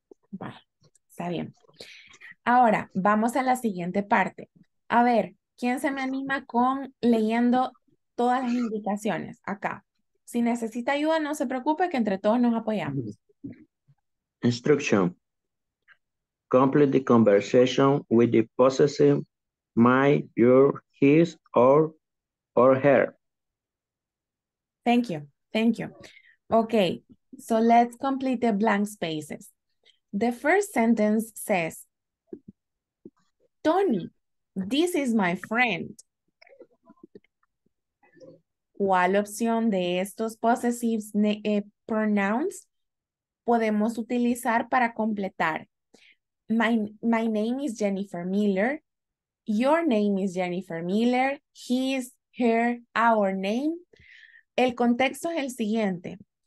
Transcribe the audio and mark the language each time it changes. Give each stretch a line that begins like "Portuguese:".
Spanish: Bueno, está bien. Ahora, vamos a la siguiente parte. A ver, ¿quién se me anima con leyendo todas las indicaciones acá? Si necesita ayuda, no se preocupe, que entre todos nos apoyamos.
English: Instruction. Complete the conversation with the possessive my, your, his, or her. Thank you. Thank you. Okay. So let's complete the blank spaces. The first sentence says, Tony, this is my friend.
Spanish: ¿Cuál opción de estos
English: possessives pronouns
Spanish: podemos utilizar para completar?
English: My name is Jennifer Miller. Your name is Jennifer Miller. His, her, our name.
Spanish: El contexto es el siguiente.